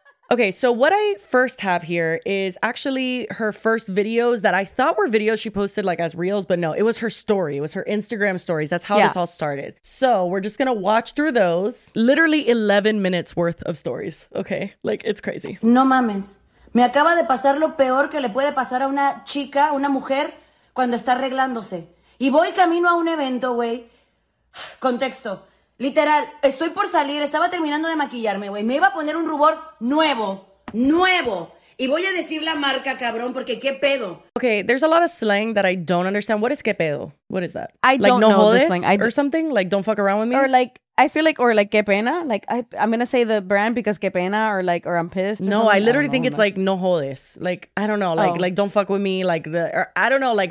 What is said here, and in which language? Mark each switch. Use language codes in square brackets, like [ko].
[en] Okay, so what I first have here is actually her first videos that I thought were videos she posted like as reels, but no, it was her story. It was her Instagram stories. That's how this all started. So we're just gonna watch through those. Literally 11 minutes worth of stories, okay? Like, it's crazy. [es] No mames. Me acaba de pasar lo peor que le puede pasar a una chica, una mujer, cuando está arreglándose. Y voy camino a un evento, güey. Contexto. Literal, estoy por salir, estaba terminando de maquillarme, güey. Me iba a poner un rubor nuevo, nuevo. Y voy a decir la marca, cabrón, porque qué pedo. [en] Okay, there's a lot of slang that I don't understand. What is [es] qué pedo? [en] What is that? I don't know the slang. Or something? Like, don't fuck around with me? Or like, I feel like, or like, [es] qué pena? [en] Like, I'm going to say the brand because [es] qué pena, [en] or like, or I'm pissed. No, I literally think it's like, [es] no jodes. [en] Like, I don't know. Like, don't fuck with me. Like, the, or I don't know. Like,